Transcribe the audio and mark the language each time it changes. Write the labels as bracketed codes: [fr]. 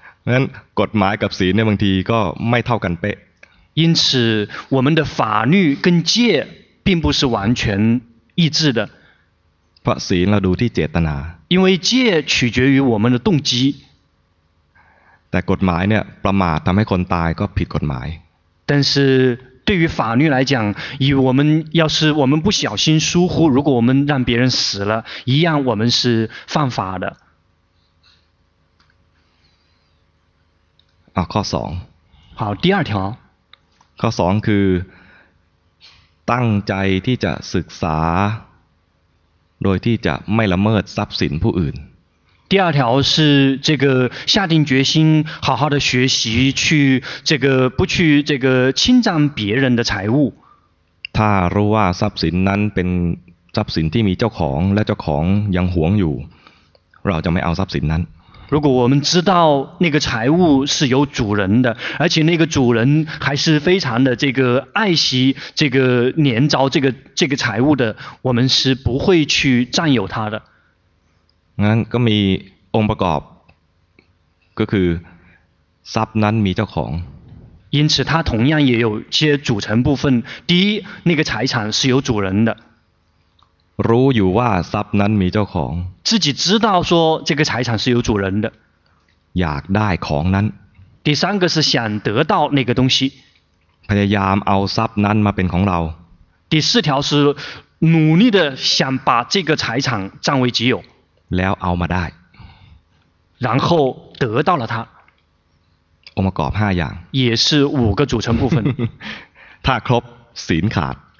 [th] งั้นกฎหมายกับศีลเนี่ยบางทีก็ไม่เท่ากันเป๊ะ [zh] 因此我们的法律跟戒并不是完全一致的 [th] เพราะศีลเราดูที่เจตนา [zh] 因为戒取决于我们的动机 [th] แต่กฎหมายเนี่ยประมาททำให้คนตายก็ผิดกฎหมาย [zh] 但是对于法律来讲以我们要是我们不小心疏忽如果我们让别人死了一样我们是犯法的 [th] ข้อ2 [zh] 好第二条 [th] ข้อ2คือตั้งใจที่จะศึกษาโดยที่จะไม่ละเมิดทรัพย์สินผู้อื่น [zh] 第二条是这个下定决心好好的学习去这个不去这个侵占别人的财物 [th] ถ้ารู้ว่าทรัพย์สินนั้นเป็นทรัพย์สินที่มีเจ้าของและเจ้าของยังหวงอยู่เราจะไม่เอาทรัพย์สินนั้น [zh] 如果我们知道那个财物是有主人的而且那个主人还是非常的这个爱惜这个年招这个财物的我们是不会去占有它的 [th] งั้นก็มีองค์ประกอบก็คือทรัพย์นั้นมีเจ้าของ [zh] 因此它同样也有些组成部分第一那个财产是有主人的 [th] รู้อยู่ว่าทรัพย์นั้นมีเจ้าของ [zh] 自己知道说这个财产是有主人的 [th] อยากได้ของนั้น [zh] 第三个是想得到那个东西 [th] พยายามเอาทรัพย์นั้นมาเป็นของเรา [zh] 第四条是努力的想把这个财产占为己有 [th] แล้วเอามาได้ [zh] 然后得到了它 [th] องค์ประกอบ5อย่าง [zh] 也是五个组成部分 [th] ถ้าครบศีลขาด